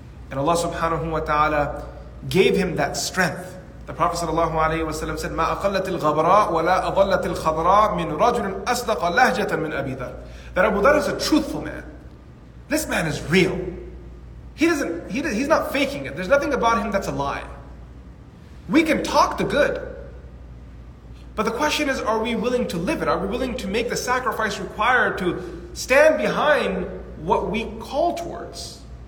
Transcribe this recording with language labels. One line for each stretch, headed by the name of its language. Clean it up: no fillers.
English: And Allah subhanahu wa ta'ala gave him that strength. The Prophet sallallahu alayhi wa sallam said,
Arabic: مَا أَقَلَّتِ الْغَبْرَاءُ وَلَا أَضَلَّتِ الْخَضْرَاءُ مِنْ رَجُلٍ أَصْدَقَ لَهْجَةً مِنْ أَبِي ذَرٍ.
English: That Abu Dhar is a truthful man. This man is real. He's not faking it. There's nothing about him that's a lie. We can talk the good. But the question is, are we willing to live it? Are we willing to make the sacrifice required to stand behind what we call towards?